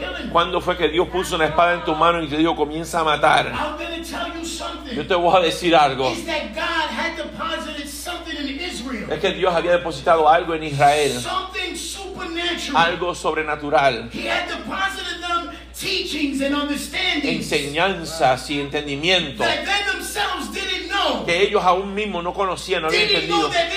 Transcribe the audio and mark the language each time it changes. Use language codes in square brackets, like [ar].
[es] ¿Cuándo fue que Dios puso una espada en tu mano y te dijo comienza a matar? [en] I'm gonna tell you something. [es] Yo te voy a decir algo. [en] Is that God had deposited something in Israel. [es] Es que Dios había depositado algo en Israel. [en] Something supernatural. [es] Algo sobrenatural. [en] He had deposited them teachings and understandings. [es] Enseñanzas y entendimiento. [en] That they themselves didn't [es] que ellos aún mismos no conocían, no habían entendido.